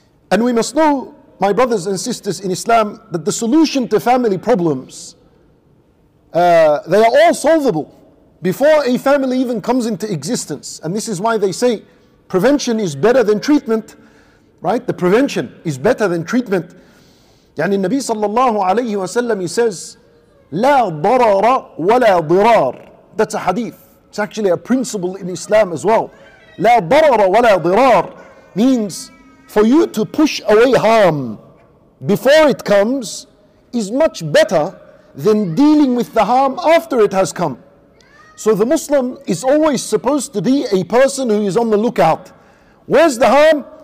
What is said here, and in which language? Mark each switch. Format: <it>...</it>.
<en>And we must know, my brothers and sisters in Islam, that the solution to family problems they are all solvable before a family even comes into existence. And this is why they say prevention is better than treatment, right? The prevention is better than treatment.</en> <ar>يعني النبي صلى الله عليه وسلم,</ar> <en>he says,</en> <ar>لا ضرر ولا ضرار.</ar> <en>That's a hadith. It's actually a principle in Islam as well.</en> <ar>لا ضرر ولا ضرار</ar> <en>means for you to push away harm before it comes is much better than dealing with the harm after it has come. So the Muslim is always supposed to be a person who is on the lookout. Where's the harm?</en>